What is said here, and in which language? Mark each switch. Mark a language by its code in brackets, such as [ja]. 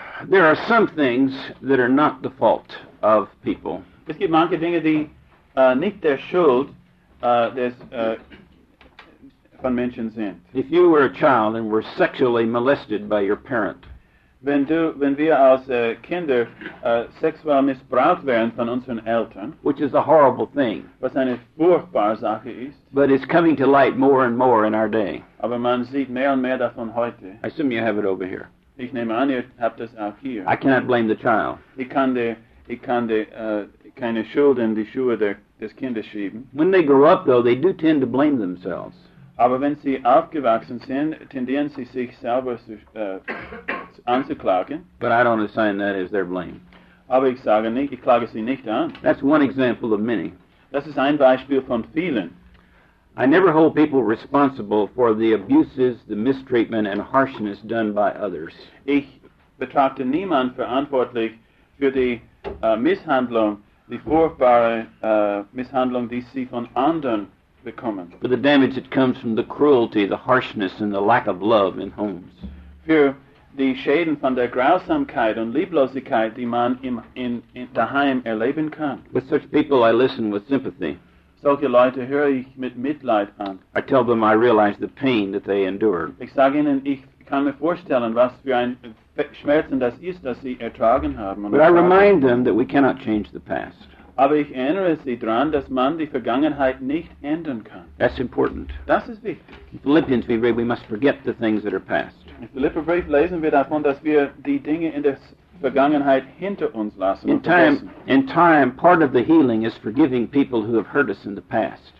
[en] There are some things that are not the fault of people. [de] Es gibt manche Dinge, die nicht der Schuld des von Menschen sind. [en] If you were a child and were sexually molested by your parent, [de] wenn wir als Kinder sexuell missbraucht werden von unseren Eltern, [en] which is a horrible thing, [de] was eine furchtbare Sache ist, [en] but it's coming to light more and more in our day. [de] Aber man sieht mehr und mehr davon heute. [en] I assume you have it over here. [de] Ich nehme an, ihr habt das auch hier. [en] I cannot blame the child. [de] Ich kann keine Schuld in die Schuhe des Kindes schieben. [en] When they grow up, though, they do tend to blame themselves. [de] Aber wenn sie aufgewachsen sind, tendieren sie sich selber anzuklagen. [en] But I don't assign that as their blame. [de] Aber ich sage nicht, ich klage sie nicht an. [en] That's one example of many. [de] Das ist ein Beispiel von vielen. [en] I never hold people responsible for the abuses, the mistreatment, and harshness done by others. [de] Ich betrachte niemand verantwortlich für die Misshandlung, die furchtbare Misshandlung, die sie von anderen bekommen. [en] For the damage that comes from the cruelty, the harshness, and the lack of love in homes. [de] Für die Schäden von der Grausamkeit und Lieblosigkeit, die man in daheim erleben kann. [en] With such people, I listen with sympathy. [de] Solche Leute höre ich mit Mitleid an. [en] I tell them I realize the pain that they endure. [de] Ich sage ihnen, ich kann mir vorstellen, was für ein Schmerzen das ist, das sie ertragen haben. [en] But I remind them that we cannot change the past. [de] Aber ich erinnere sie daran, dass man die Vergangenheit nicht ändern kann. [en] That's important. [de] Das ist wichtig. [en] In Philippians we read we must forget the things that are past. [de] In Philipperbrief lesen wir davon, dass wir die Dinge in der Vergangenheit hinter uns lassen. [en] In time, part of the healing is forgiving people who have hurt us in the past.